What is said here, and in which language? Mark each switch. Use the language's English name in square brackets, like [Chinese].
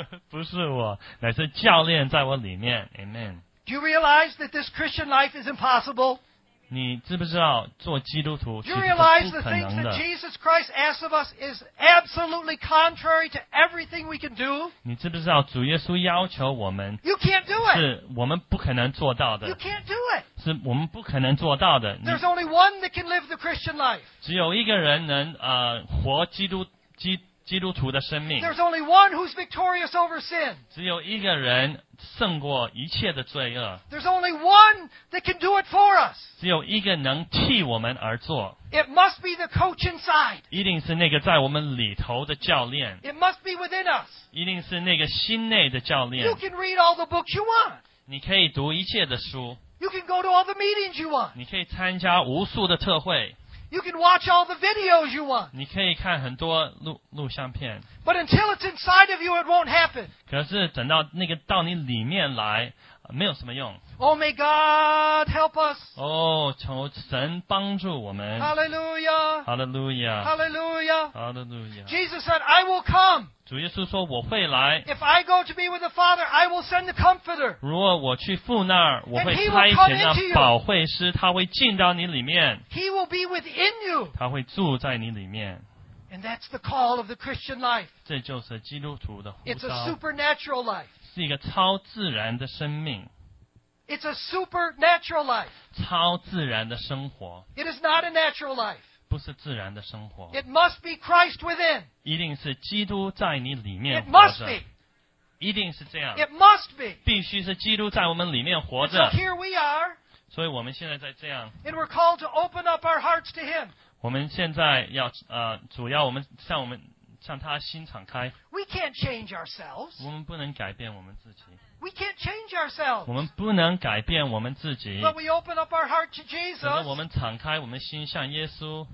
[Chinese] 不是我，乃是教练在我里面。 [English] Amen. Do you realize that this Christian life is impossible? [Chinese] 你知不知道做基督徒其实是不可能的。 [English] Do you realize the things that Jesus Christ asks of us is absolutely contrary to everything we can do? [Chinese] 你知不知道主耶稣要求我们 [English] ？You can't do it. [Chinese] 是我们不可能做到的。 [English] You can't do it. [Chinese] 是我们不可能做到的。 [English] There's only one that can live the Christian life. [Chinese] 只有一个人能活基督徒的生命。 [English] There's only one who's victorious over sin. [Chinese] 只有一个人胜过一切的罪恶。 [English] There's only one that can do it for us. [Chinese] 只有一个能替我们而做。 [English] It must be the coach inside. [Chinese] 一定是那个在我们里头的教练。 [English] It must be within us. [Chinese] 一定是那个心内的教练。 [English] You can read all the books you want. [Chinese] 你可以读一切的书。 [English] You can go to all the meetings you want. [Chinese] 你可以参加无数的特会。 [English] You can watch all the videos you want. [Chinese] 你可以看很多录像片。 [English] But until it's inside of you, it won't happen. [Chinese] 可是等到那个到你里面来，没有什么用。 [English] Oh, may God help us. [Chinese] 哦，求神帮助我们。 [English] Hallelujah. Hallelujah. Hallelujah. Hallelujah. Jesus said, "I will come." [Chinese] 主耶稣说我会来。 [English] If I go to be with the Father, I will send the Comforter. [Chinese] 如果我去父那儿，我会差遣那保惠师，他会进到你里面。 [English] He will be within you. [Chinese] 他会住在你里面。 [English] And that's the call of the Christian life. [Chinese] 这就是基督徒的呼召。 [English] It's a supernatural life. [Chinese] 是一个超自然的生命。 [English] It's a supernatural life. [Chinese] 超自然的生活。 [English] It is not a natural life. [Chinese] 不是自然的生活。 [English] It must be Christ within. [Chinese] 一定是基督在你里面活着。 [English] It must be. [Chinese] 一定是这样。 [English] It must be. [Chinese] 必须是基督在我们里面活着。 [English] So here we are. [Chinese] 所以我们现在在这样。 [English] And we're called to open up our hearts to Him. [Chinese] 我们现在要主要我们向我们向他心敞开。 [English] We can't change ourselves. [Chinese] 我们不能改变我们自己。 [English] We can't change ourselves. [Chinese] 我们不能改变我们自己。 [English] But we open up our heart to Jesus. [Chinese] 我们敞开我们心向耶稣。